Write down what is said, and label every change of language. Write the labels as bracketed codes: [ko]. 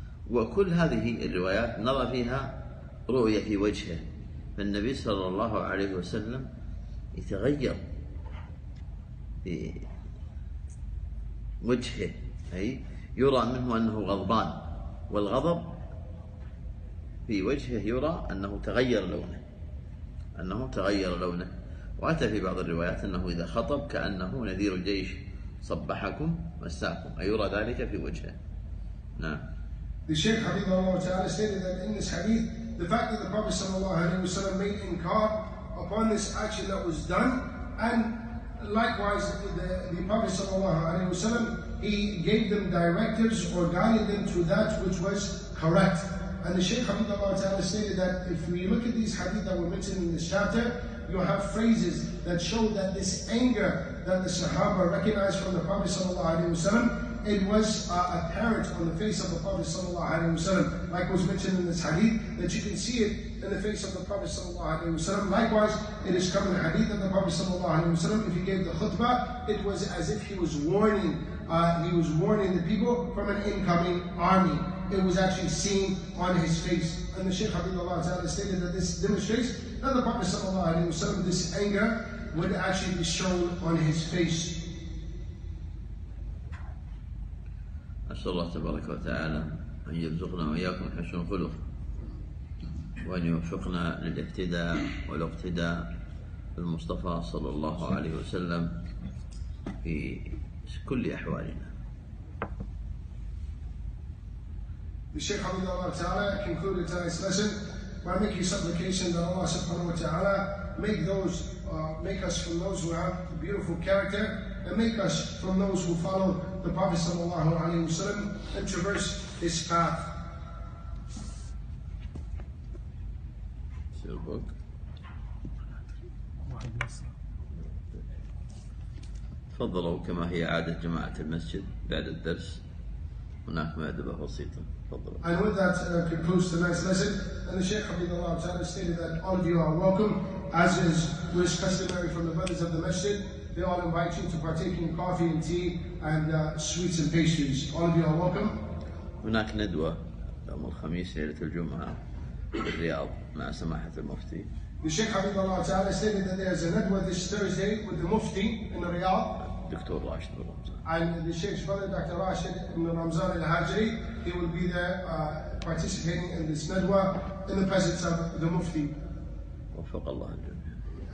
[ar] وكل هذه الروايات نرى فيها رؤية في وجهه، فالنبي صلى الله عليه وسلم يتغير في وجهه، أي يرى منه أنه غضبان، والغضب في وجهه يرى أنه تغير لونه، أنه تغير لونه. وأتى في بعض الروايات أنه إذا خطب كأنه نذير الجيش صبحكم مساكم، أي يرى ذلك في وجهه. نعم. [en] The Shaykh [ar] حفظه الله تعالى [en] stated that in this hadith the fact that the Prophet [ar] صلى الله عليه وسلم [en] made inkar upon this action that was done, and likewise, the Prophet sallallahu alaihi wasallam, he gave them directives or guided them to that which was correct. And the Shaykh Habibullah Ta'ala stated that if we look at these hadith that were mentioned in this chapter, you have phrases that show that this anger that the Sahaba recognized from the Prophet sallallahu alaihi wasallam, it was apparent on the face of the Prophet sallallahu alaihi wasallam, like was mentioned in this hadith, that you can see it in the face of the Prophet sallallahu alaihi wasallam. Likewise, it is coming hadith that the Prophet sallallahu alaihi wasallam, if he gave the khutbah, it was as if he was warning the people from an incoming army. It was actually seen on his face. And the Shaykh Habibullah Ta'ala stated that this demonstrates that the Prophet sallallahu alaihi wasallam, this anger would actually be shown on his face. [ar] أسأل الله تبارك وتعالى أن يرزقنا وإياكم حسن الخلق وأن يوفقنا للاهتداء والاقتداء بالمصطفى صلى الله عليه وسلم في كل أحوالنا. الشيخ حفظه الله تعالى [en] concluded tonight's lesson by making supplication that Allah subhanahu wa ta'ala make us from those who have the beautiful character and make us from those who follow the Prophet sallallahu alayhi wa sallam and traverse his path. Your book. [ar] تفضلوا كما هي عادة جماعة المسجد بعد الدرس هناك مأدبة بسيطة. [en] And with that concludes tonight's lesson. And the Shaykh Habibullah Ta'ala stated that all of you are welcome, as is customary from the brothers of the masjid. They all invite you to partake in coffee and tea and sweets and pastries. All of you are welcome. [ar] هناك ندوة يوم الخميس ليلة الجمعة بالرياض مع سماحة المفتي. [en] The Shaykh Habibullah Ta'ala stated that there is a ندوة this Thursday with the Mufti in Riyadh. [ar] دكتور راشد بن رمضان. [en] And the Shaykh's brother, Dr. Rashid ibn Ramzan al-Hajri, he will be there participating in this nadwa in the presence of the Mufti. [ar] وفق الله الجميع.